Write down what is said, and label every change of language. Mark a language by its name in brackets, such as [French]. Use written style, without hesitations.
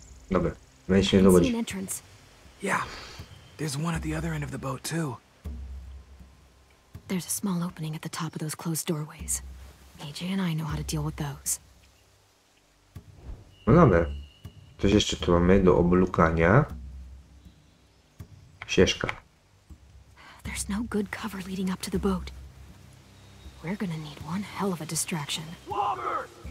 [Polish] Dobra, weźmy do łodzi. [English] Yeah, there's one at the other end of the boat too. There's a small opening at the top of those closed doorways. AJ and I know how to deal with those. [Polish] No dobra, coś jeszcze tu mamy do oblukania. Ścieżka. [English] There's no good cover leading up to the boat. We're gonna need one hell of a distraction. Water! [Polish] Dobra,